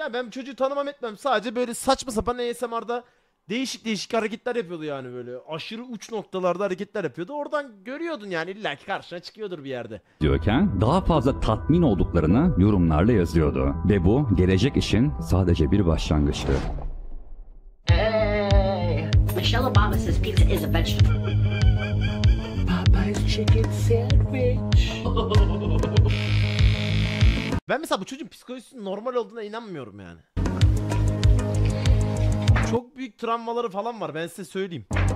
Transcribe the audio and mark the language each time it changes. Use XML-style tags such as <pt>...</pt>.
<tr>Ya ben çocuğu tanımam etmem. Sadece böyle saçma sapan ASMR'da değişik değişik hareketler yapıyordu yani böyle. Aşırı uç noktalarda hareketler yapıyordu. Oradan görüyordun yani illaki karşına çıkıyordur bir yerde. Diyorken daha fazla tatmin olduklarını yorumlarla yazıyordu. Ve bu gelecek işin sadece bir başlangıçtı.</tr> <en>Hey, Michelle Obama says pizza is a vegetable. Popeye's chicken sandwich.</en> <tr>Ben mesela bu çocuğun psikolojisinin normal olduğuna inanmıyorum yani. Çok büyük travmaları falan var, ben size söyleyeyim.</tr>